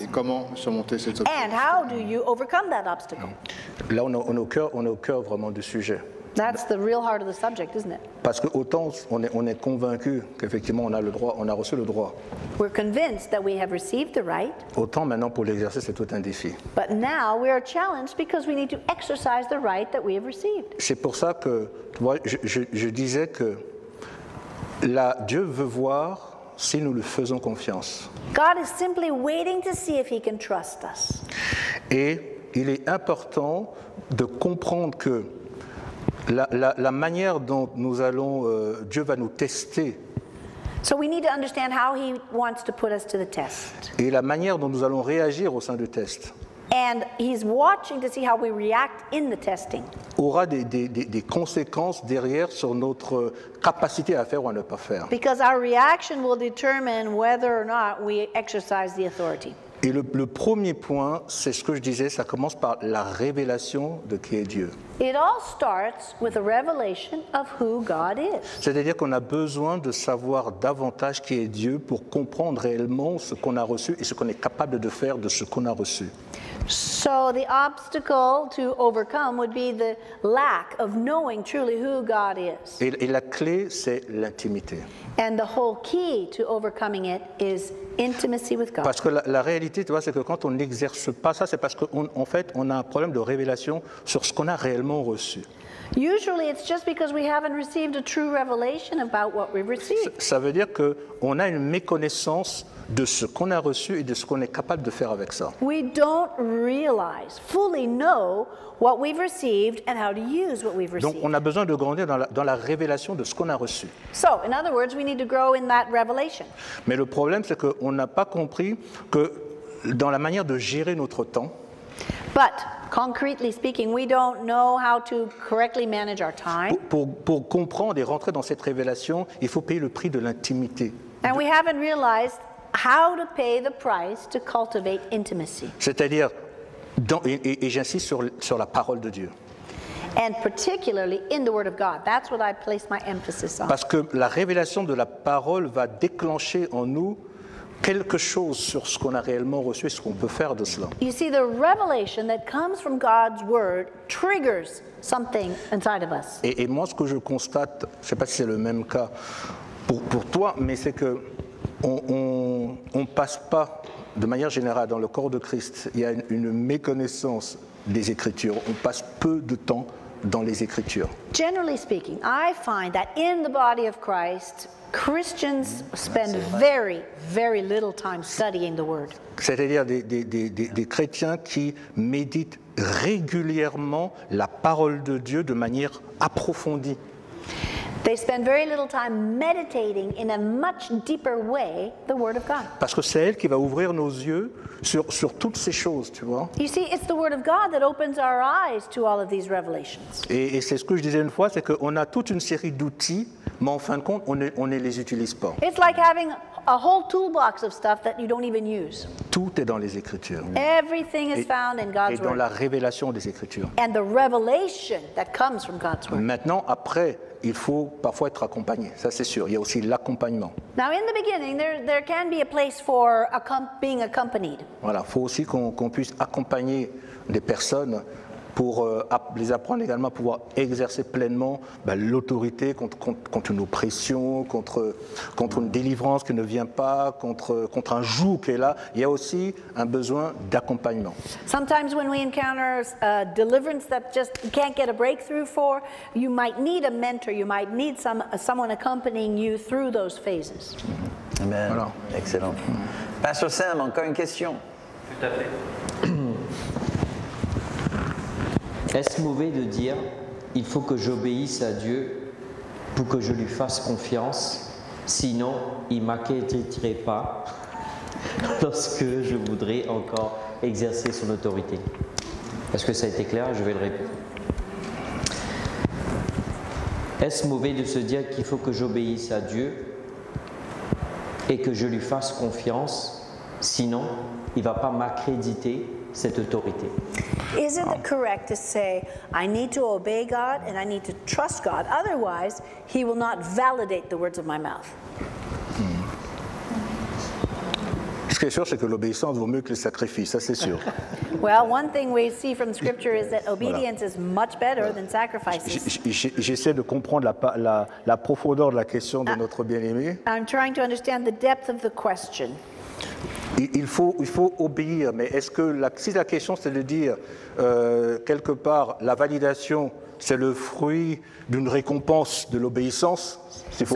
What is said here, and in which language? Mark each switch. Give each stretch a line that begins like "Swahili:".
French: Et comment surmonter cet obstacle?
English: And how do you overcome that obstacle?
French: Là, on est au cœur vraiment du sujet.
English: That's the real heart of the subject, isn't it?
French: Parce que autant on est convaincu qu'effectivement on a reçu le droit.
English: We're convinced that we have received the right.
French: Autant maintenant pour l'exercer, c'est tout un défi.
English: But now we are challenged because we need to exercise the right that we have received.
French: C'est pour ça que tu vois, je disais que là, Dieu veut voir si nous lui faisons confiance.
English: God is simply waiting to see if he can trust us.
French: Et il est important de comprendre que la manière dont nous allons, Dieu va nous tester.
English: So we need to understand how he wants to put us to the test.
French: Et la manière dont nous allons réagir au sein du test.
English: And he's watching to see how we react in the testing.
French: Aura des conséquences derrière sur notre capacité à faire ou à ne pas faire.
English: Because our reaction will determine whether or not we exercise the authority.
French: Et le premier point, c'est ce que je disais, ça commence par la révélation de qui est Dieu.
English: It all starts with a revelation of who God is.
French: C'est-à-dire qu'on a besoin de savoir davantage qui est Dieu pour comprendre réellement ce qu'on a reçu et ce qu'on est capable de faire de ce qu'on a reçu.
English: So the obstacle to overcome would be the lack of knowing truly who God is.
French: Et la clé, c'est l'intimité.
English: And the whole key to overcoming it is intimacy with God.
French: Parce que la réalité, tu vois, c'est que quand on n'exerce pas ça, c'est parce qu'en fait, on a un problème de révélation sur ce qu'on a réellement reçu.
English: Usually, it's just because we haven't received a true revelation about what we've received.
French: Ça veut dire qu'on a une méconnaissance de ce qu'on a reçu et de ce qu'on est capable de faire avec ça.
English: We don't realize, fully know what we've received and how to use what we've received.
French: Donc, on a besoin de grandir dans la révélation de ce qu'on a reçu.
English: So, in other words, we need to grow in that revelation.
French: Mais le problème, c'est qu'on n'a pas compris que dans la manière de gérer notre temps.
English: But concretely speaking, we don't know how to correctly manage our time.
French: Pour comprendre et rentrer dans cette révélation, il faut payer le prix de l'intimité.
English: And we haven't realized how to pay the price to cultivate intimacy.
French: C'est-à-dire, et j'insiste sur la parole de Dieu.
English: And particularly in the Word of God. That's what I place my emphasis on.
French: Parce que la révélation de la parole va déclencher en nous quelque chose sur ce qu'on a réellement reçu et ce qu'on peut faire de cela.
English: You see, the revelation that comes from God's word triggers something inside of us.
French: Et moi, ce que je constate, je ne sais pas si c'est le même cas pour toi, mais c'est que on passe pas, de manière générale, dans le corps de Christ, il y a une méconnaissance des Écritures. On passe peu de temps dans les Écritures.
English: Generally speaking, I find that in the body of Christ, Christians spend very, very little time studying the Word.
French: C'est-à-dire des chrétiens qui méditent régulièrement la parole de Dieu de manière approfondie.
English: They spend very little time meditating in a much deeper way the Word of God.
French: Parce que c'est elle qui va ouvrir nos yeux sur toutes ces choses, tu vois.
English: You see, it's the Word of God that opens our eyes to all of these revelations.
French: Et c'est ce que je disais une fois, c'est qu'on a toute une série d'outils, mais en fin de compte, on ne les utilise pas.
English: It's like having a whole toolbox of stuff that you don't even use.
French: Tout est dans les Écritures.
English: Everything is found in God's Word.
French: Et dans la révélation des Écritures.
English: And the revelation that comes from God's Word.
French: Maintenant, après, il faut parfois être accompagné, ça c'est sûr. Il y a aussi l'accompagnement.
English: Now in the beginning, there can be a place for being accompanied.
French: Voilà, il faut aussi qu'on puisse accompagner des personnes pour les apprendre également à pouvoir exercer pleinement l'autorité contre une oppression, contre une délivrance qui ne vient pas, contre un joug qui est là. Il y a aussi un besoin d'accompagnement.
English: Sometimes when we encounter a deliverance that just can't get a breakthrough for, you might need a mentor, you might need someone accompanying you through those phases.
French: Amen. Voilà. Excellent. Pastor Sam, encore une question. Tout à fait. Est-ce mauvais de dire « il faut que j'obéisse à Dieu pour que je lui fasse confiance, sinon il ne m'acquitterait pas lorsque je voudrais encore exercer son autorité ?» Est-ce que ça a été clair? Je vais le répéter. Est-ce mauvais de se dire qu'il faut que j'obéisse à Dieu et que je lui fasse confiance, sinon il ne va pas m'accréditer cette autorité?
English: Is it correct to say I need to obey God and I need to trust God, otherwise he will not validate the words of my mouth?
French: Ce qui est sûr, c'est que l'obéissance vaut mieux que le sacrifice, ça c'est sûr.
English: Well, one thing we see from scripture is that obedience is much better than sacrifices.
French: J'essaie de comprendre la profondeur de la question de notre bien-aimé.
English: I'm trying to understand the depth of the question.
French: Il faut obéir, mais est-ce que si la question c'est de dire quelque part la validation c'est le fruit d'une récompense de l'obéissance, c'est faut